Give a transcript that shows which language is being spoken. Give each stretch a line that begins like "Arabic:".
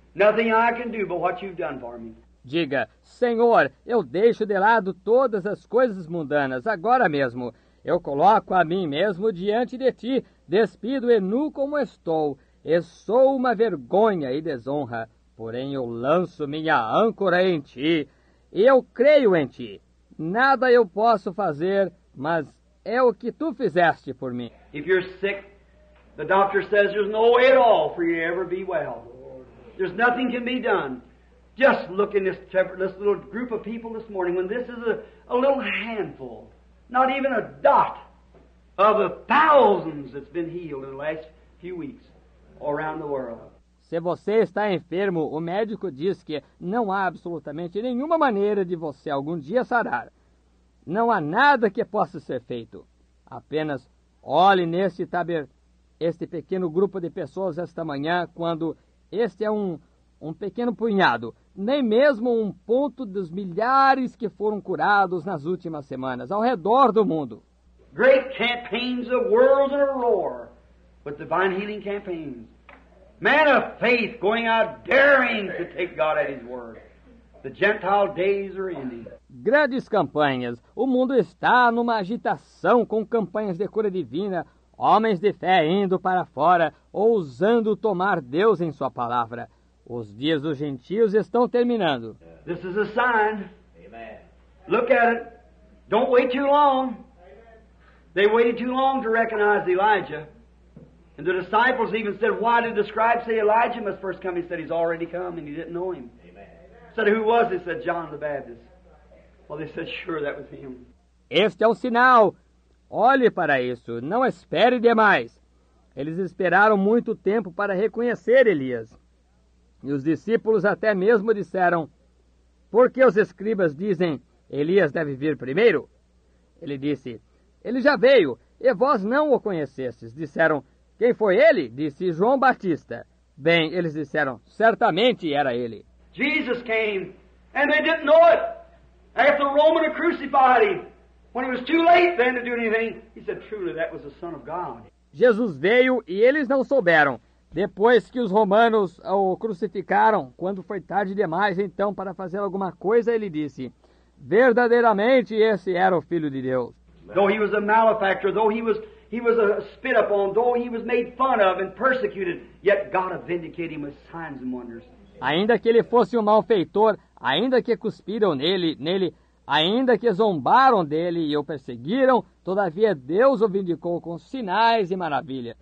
English: Nothing I can do but what you've done for me.
Portuguese: Diga, Senhor, eu deixo de lado todas as coisas mundanas agora mesmo. Eu coloco a mim mesmo diante de ti, despido e nu como estou, e sou uma vergonha e desonra. Porém, eu lanço minha âncora em ti, e eu creio em ti. Nada eu posso fazer, mas é o que tu fizeste por mim.
English: If you're sick, the doctor says there's no way at all for you to ever be well. There's nothing can be done. Just look in this little group of people this morning, when this is a little handful. Not even a dot of the thousands that's been healed in the last few weeks around the world.
Portuguese: Se você está enfermo, o médico diz que não há absolutamente nenhuma maneira de você algum dia sarar. Não há nada que possa ser feito. Apenas olhe neste este pequeno grupo de pessoas esta manhã, quando este é um pequeno punhado. Nem mesmo um ponto dos milhares que foram curados nas últimas semanas, ao redor do mundo.
English: great campaigns, the world's in a roar with divine healing campaigns. Man of faith going out daring to take God at His word. The Gentile days are ending.
Portuguese: Grandes campanhas. O mundo está numa agitação com campanhas de cura divina. Homens de fé indo para fora, ousando tomar Deus em sua palavra. Os dias dos gentios estão terminando.
English: This is a sign. Amen. Look at it. Don't wait too long. They waited too long to recognize Elijah. And the disciples even said, why did the scribe say Elijah must first come? He said he's already come and he didn't know him. Amen. Said, who was it? Said, John the Baptist. Well, they said, sure, that was him.
Portuguese: Este é um sinal. Olhe para isso, não espere demais. Eles esperaram muito tempo para reconhecer Elias. E os discípulos até mesmo disseram, por que os escribas dizem, Elias deve vir primeiro? Ele disse, ele já veio, e vós não o conhecestes. Disseram, quem foi ele? Disse, João Batista. Bem, eles disseram, certamente era ele.
English: Jesus came, and they didn't know it. After the Roman crucified him. When it was too late then to do anything, he said, truly, that was the Son of God.
Portuguese: Jesus veio e eles não souberam. Depois que os romanos o crucificaram, quando foi tarde demais então para fazer alguma coisa, ele disse, verdadeiramente esse era o Filho de Deus.
English: Though he was a malefactor, though he was a spit upon, though he was made fun of and persecuted, yet God had vindicated him with signs and wonders.
Portuguese: Ainda que ele fosse um malfeitor, ainda que cuspiram nele, ainda que zombaram dele e o perseguiram, todavia Deus o vindicou com sinais e maravilha.